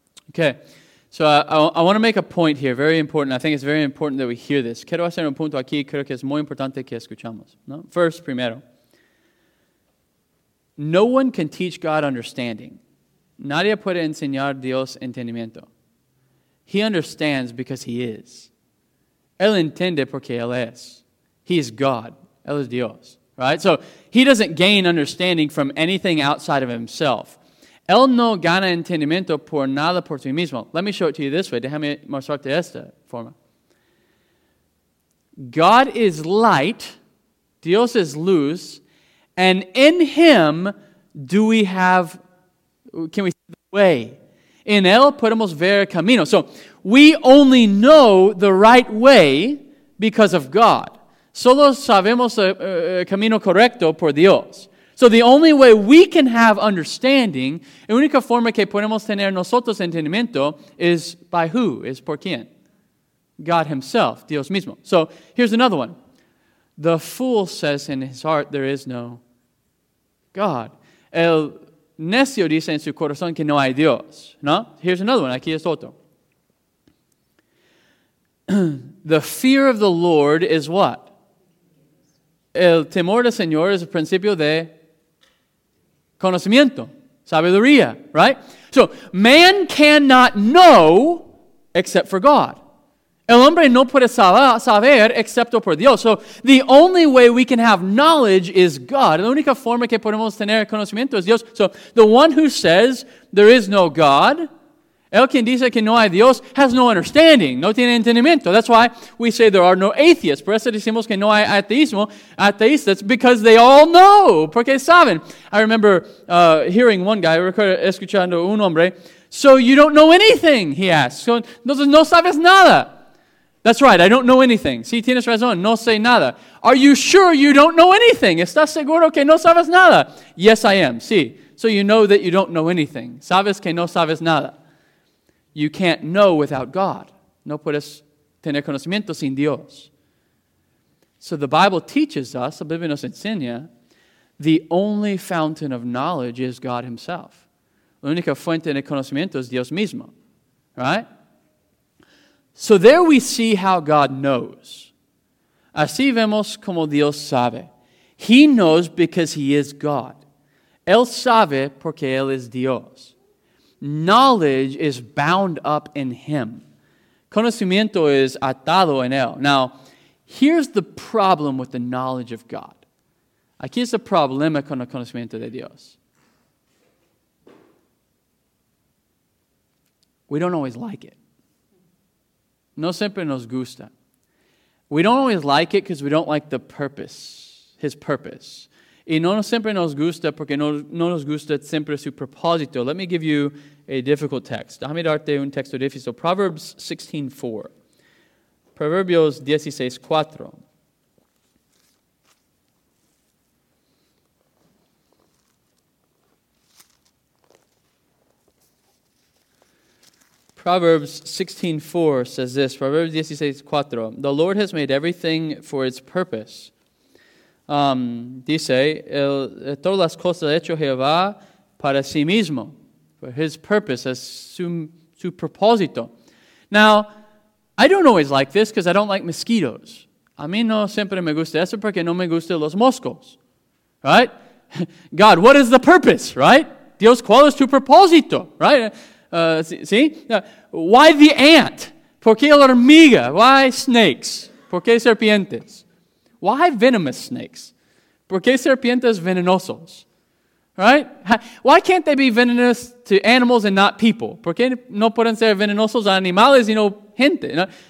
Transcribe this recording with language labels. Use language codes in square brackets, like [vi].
[en] Okay, so I want to make a point here, very important. I think it's very important that we hear this. [es] Quiero hacer un punto aquí, creo que es muy importante que escuchamos. ¿No? [en] First, [es] primero, [en] no one can teach God understanding. [es] Nadie puede enseñar Dios entendimiento. [en] He understands because he is. [es] Él entiende porque él es. [en] He is God. [es] Él es Dios. [en] Right? So he doesn't gain understanding from anything outside of himself. [es] Él no gana entendimiento por nada por sí mismo. [en] Let me show it to you this way. [es] Déjame mostrarte esta forma. [en] God is light. [es] Dios es luz. [en] And in him do we have, can we see the way? [es] En él podemos ver camino. [en] So we only know the right way because of God. [es] Solo sabemos el camino correcto por Dios. [en] So the only way we can have understanding, [es] la única forma que podemos tener nosotros entendimiento [en] is by who, is [es] por quién. [en] God himself, [es] Dios mismo. [en] So here's another one. The fool says in his heart there is no God. [es] El necio dice en su corazón que no hay Dios. ¿No? [en] Here's another one. [es] Aquí es otro. [en] The fear of the Lord is what? [es] El temor del Señor es el principio de conocimiento, sabiduría, [en] right? So, man cannot know except for God. [es] El hombre no puede saber excepto por Dios. [en] So, the only way we can have knowledge is God. [es] La única forma que podemos tener conocimiento es Dios. [en] So, the one who says there is no God, [es] el quien dice que no hay Dios, [en] has no understanding, [es] no tiene entendimiento. [en] That's why we say there are no atheists. [es] Por eso decimos que no hay ateísmo, ateístas, [en] because they all know, [es] porque saben. [en] I remember hearing one guy, [es] escuchando un hombre, [en] so you don't know anything, he asked. So, [es] no sabes nada. [en] That's right, I don't know anything. [es] Sí, tienes razón, no sé nada. [en] Are you sure you don't know anything? [es] ¿Estás seguro que no sabes nada? [en] Yes, I am, sí. So you know that you don't know anything. [es] Sabes que no sabes nada. [en] You can't know without God. [es] No puedes tener conocimiento sin Dios. [en] So the Bible teaches us, [es] la Biblia nos enseña, [en] the only fountain of knowledge is God himself. [es] La única fuente de conocimiento es Dios mismo, [en] right? So there we see how God knows. [es] Así vemos como Dios sabe. [en] He knows because he is God. [es] Él sabe porque él es Dios. [en] Knowledge is bound up in him. [es] Conocimiento es atado en él. [en] Now, here's the problem with the knowledge of God. [es] Aquí es el problema con el conocimiento de Dios. [en] We don't always like it. [es] No siempre nos gusta. [en] We don't always like it because we don't like the purpose, his purpose. [es] Y no siempre nos gusta porque no nos gusta siempre su propósito. [en] Let me give you a difficult text. [es] Déjame darte un texto difícil. [en] Proverbs 16:4. Proverbios 16:4. Proverbs 16:4 says this, Proverbs 16:4, the Lord has made everything for its purpose. [es] Dice, todas las cosas hecho Jehová para sí mismo, [en] for his purpose, [es] as su propósito. [en] Now, I don't always like this because I don't like mosquitoes. [es] A mí no siempre me gusta eso porque no me gustan los moscos, [en] right? God, what is the purpose, right? [es] Dios, ¿cuál es tu propósito, [en] right? See? Why the ant? [es] ¿Por qué la hormiga? [en] Why snakes? [es] ¿Por qué serpientes? [en] Why venomous snakes? [es] ¿Por qué serpientes venenosos? [en] Right? Why can't they be venomous to animals and not people? [es] ¿Por qué no pueden ser venenosos a animales y no gente?